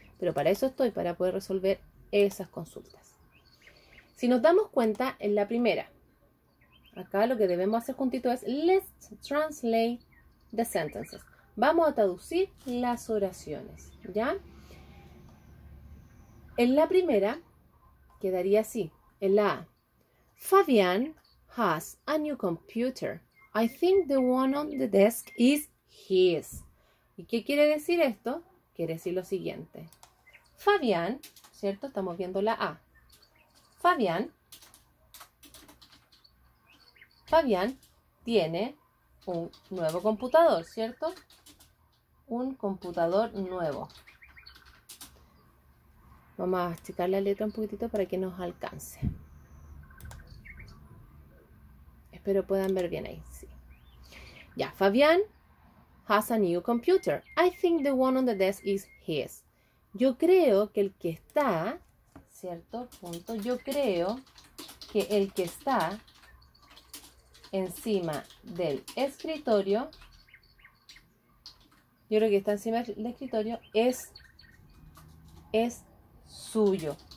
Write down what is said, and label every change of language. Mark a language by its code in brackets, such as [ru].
[es] Pero para eso estoy, para poder resolver esas consultas. Si nos damos cuenta, en la primera, acá lo que debemos hacer juntito es [en] let's translate the sentences. [es] Vamos a traducir las oraciones, ¿ya? En la primera, quedaría así, en la A. [en] Fabián has a new computer. I think the one on the desk is his. [es] ¿Y qué quiere decir esto? Quiere decir lo siguiente. Fabián, ¿cierto? Estamos viendo la A. Fabián tiene un nuevo computador, ¿cierto? Un computador nuevo. Vamos a achicar la letra un poquitito para que nos alcance. Espero puedan ver bien ahí. Sí. Ya, Fabián [en] has a new computer. I think the one on the desk is his. [es] Yo creo que el que está, ¿cierto? Punto. Yo creo que el que está encima del escritorio, yo creo que está encima del escritorio, es suyo.